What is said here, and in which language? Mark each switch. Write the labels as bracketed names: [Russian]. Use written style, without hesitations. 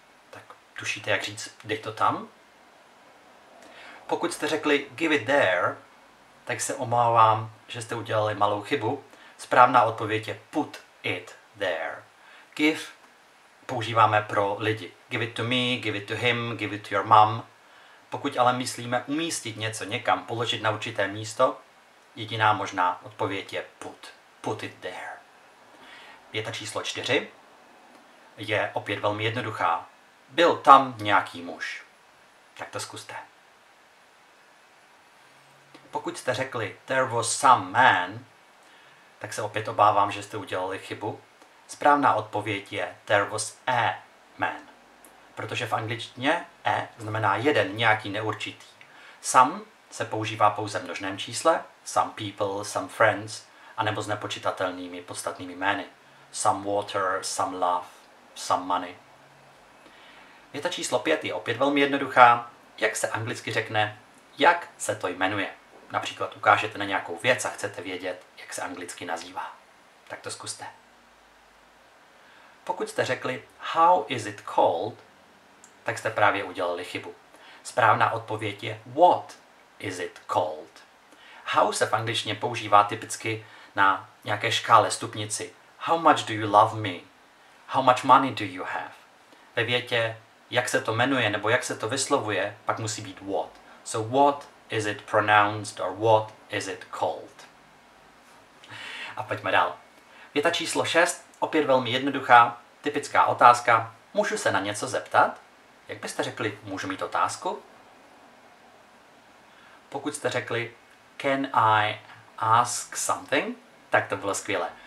[Czech] Tak tušíte, jak říct dej to tam? Pokud jste řekli [English] give it there, [Czech] tak se omlouvám, že jste udělali malou chybu. Správná odpověď je [English] put it there. [Czech] Give používáme pro lidi. [English] Give it to me, give it to him, give it to your mom. [Czech] Pokud ale myslíme umístit něco někam, položit na určité místo, jediná možná odpověď je put. [English] Put it there. [Czech] Věta číslo 4 je opět velmi jednoduchá. Byl tam nějaký muž. Tak to zkuste. Pokud jste řekli [English] there was some man, [Czech] tak se opět obávám, že jste udělali chybu. Správná odpověď je [English] there was a man. [Czech] Protože v angličtině a znamená jeden, nějaký neurčitý. Some se používá pouze v množném čísle. [English] Some people, some friends. [Czech] A nebo s nepočitatelnými podstatnými jmény. [English] Some water, some love, some money. [Czech] Věta číslo 5 je opět velmi jednoduchá. Jak se anglicky řekne, jak se to jmenuje? Například ukážete na nějakou věc a chcete vědět, jak se anglicky nazývá. Tak to zkuste. Pokud jste řekli [English] how is it called, [Czech] tak jste právě udělali chybu. Správná odpověď je [English] what is it called. [Czech] How se v angličtině používá typicky na nějaké škále, stupnici. [English] How much do you love me? How much money do you have? [Czech] Ve větě, jak se to jmenuje nebo jak se to vyslovuje, pak musí být what. [English] So what is it pronounced or what is it called? [Czech] A pojďme dál. Věta číslo 6, opět velmi jednoduchá, typická otázka. Můžu se na něco zeptat? Jak byste řekli, můžu mít otázku? Pokud jste řekli, [English] can I ask something, [Czech] tak to bylo skvělé.